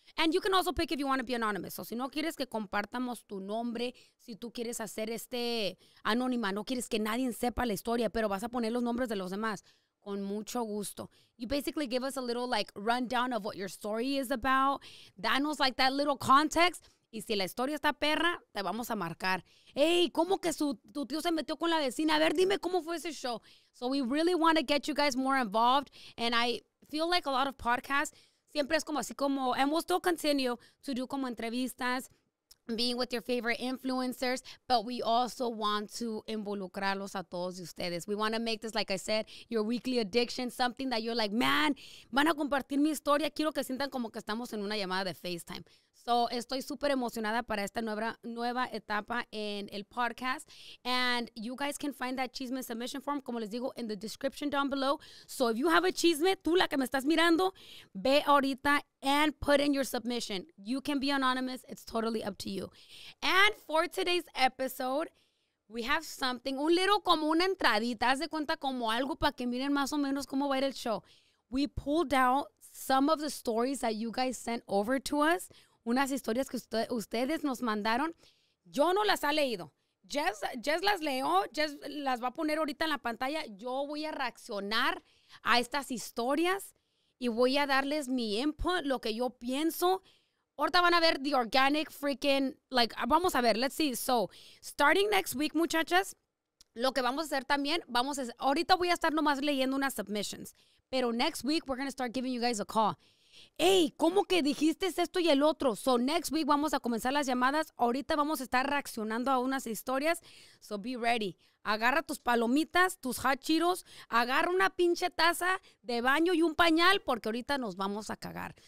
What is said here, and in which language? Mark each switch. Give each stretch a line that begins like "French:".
English: And you can also pick if you want to be anonymous.
Spanish: So si no quieres que compartamos tu nombre, si tú quieres hacer este anónima, no quieres que nadie sepa la historia, pero vas a poner los nombres de los demás, con mucho gusto.
English: You basically give us a little like rundown of what your story is about.
Spanish: Danos
English: like that little context.
Spanish: Y si la historia está perra, te vamos a marcar. Hey, ¿cómo que tu tío se metió con la vecina? A ver, dime cómo fue ese show.
English: So we really want to get you guys more involved. And I feel like a lot of podcasts,
Spanish: siempre es como así como,
English: and we'll still continue to do
Spanish: como entrevistas,
English: being with your favorite influencers, but we also want to
Spanish: involucrarlos a todos ustedes.
English: We want to make this, like I said, your weekly addiction, something that you're like, man,
Spanish: van a compartir mi historia. Quiero que sientan como que estamos en una llamada de FaceTime. So estoy súper emocionada para esta nueva etapa en el podcast.
English: And you guys can find that chisme submission form,
Spanish: como les digo,
English: in the description down below. So if you have a chisme,
Spanish: tú la que me estás mirando, ve ahorita
English: and put in your submission. You can be anonymous. It's totally up to you. And for today's episode, we have something,
Spanish: un little como una entradita, haz de cuenta como algo para que miren más o menos cómo va a ir el show.
English: We pulled out some of the stories that you guys sent over to us.
Spanish: Unas historias que ustedes nos mandaron. Yo no las he leído. Jess las leo. Jess las va a poner ahorita en la pantalla. Yo voy a reaccionar a estas historias y voy a darles mi input, lo que yo pienso. Ahorita van a ver
English: the organic freaking, like,
Spanish: vamos a ver,
English: let's see. So, starting next week,
Spanish: muchachas, lo que vamos a hacer también, ahorita voy a estar nomás leyendo unas submissions.
English: Pero next week, we're going to start giving you guys a call.
Spanish: Hey, ¿cómo que dijiste esto y el otro?
English: So next week
Spanish: vamos a comenzar las llamadas. Ahorita vamos a estar reaccionando a unas historias.
English: So be ready.
Spanish: Agarra tus palomitas, tus hot Cheetos. Agarra una pinche taza de baño y un pañal porque ahorita nos vamos a cagar.